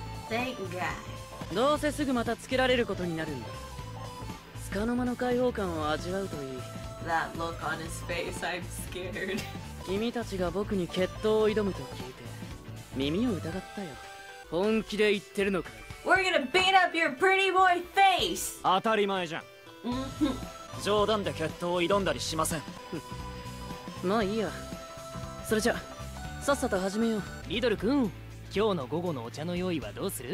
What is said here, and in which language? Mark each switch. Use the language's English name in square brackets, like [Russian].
[English] Thank God. [Japanese] どうせすぐまたつけられることになるんだ。つかの間の解放感を味わうといい。 [English] That look on his face, I'm scared. [Japanese] 君たちが僕に決闘を挑むと聞いて耳を疑ったよ。本気で言ってるのか？ [English] We're gonna beat up your pretty boy face! [Japanese] 当たり前じゃん。冗談で決闘を挑んだりしません。まあいいや。それじゃあさっさと始めよう。リドル君、今日の午後のお茶の用意はどうする？